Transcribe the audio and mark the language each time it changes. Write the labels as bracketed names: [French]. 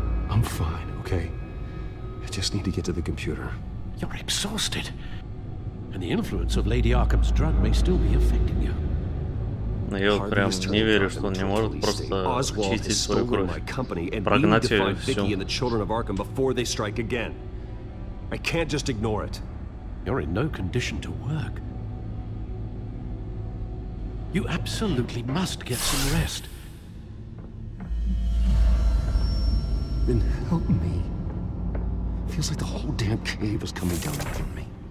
[English] I'm fine, okay? I just need to get to the computer. You're exhausted. And the influence of Lady Arkham's drug may still be affecting you. [Russian] Но я вот прям не верю, что он не может просто очистить свою кровь, прогнать ее всю. [English] And the children of Arkham before they strike again. I can't just ignore it. You're in no condition to work. You absolutely must get some rest. Then help me. Feels like the whole damn cave is coming down on me.